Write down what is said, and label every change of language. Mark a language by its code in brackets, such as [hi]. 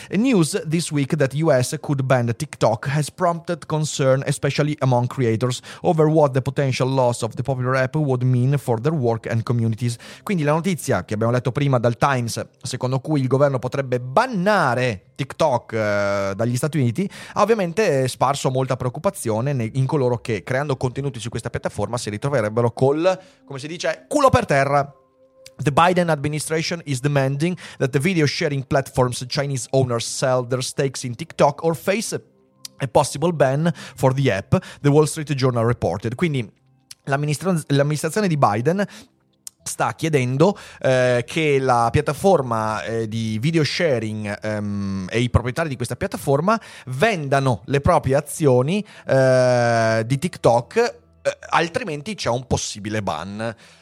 [en] News this week that US could ban TikTok has prompted concern, especially among creators, over what the potential loss of the popular app would mean for their work and communities. [it] Quindi la notizia che abbiamo letto prima dal Times, secondo cui il governo potrebbe bannare TikTok dagli Stati Uniti, ha ovviamente sparso molta preoccupazione in coloro che, creando contenuti su questa piattaforma, si ritroverebbero col, come si dice, culo per terra. [en] The Biden administration is demanding that the video sharing platforms Chinese owners sell their stakes in TikTok or face a possible ban for the app, the Wall Street Journal reported. [it] Quindi l'amministrazione di Biden sta chiedendo che la piattaforma di video sharing e i proprietari di questa piattaforma vendano le proprie azioni di TikTok, altrimenti c'è un possibile ban.